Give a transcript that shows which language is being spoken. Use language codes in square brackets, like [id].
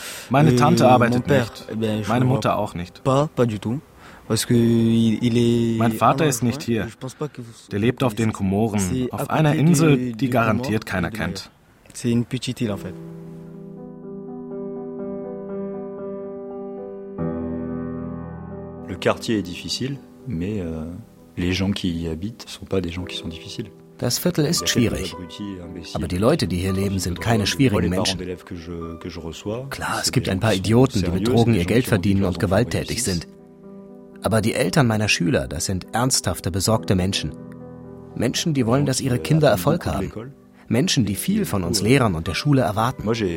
[de] Meine Tante arbeitet nicht, meine Mutter auch nicht. Mein Vater ist nicht hier. Der lebt auf den Komoren, auf einer Insel, die garantiert keiner kennt. [fr] Le quartier est difficile, mais les gens qui y habitent sont pas des gens qui sont difficiles. [de] Das Viertel ist schwierig, aber die Leute, die hier leben, sind keine schwierigen Menschen. Klar, es gibt ein paar Idioten, die mit Drogen ihr Geld verdienen und gewalttätig sind. Aber die Eltern meiner Schüler, das sind ernsthafte, besorgte Menschen. Menschen, die wollen, dass ihre Kinder Erfolg haben. Menschen, die viel von uns Lehrern und der Schule erwarten.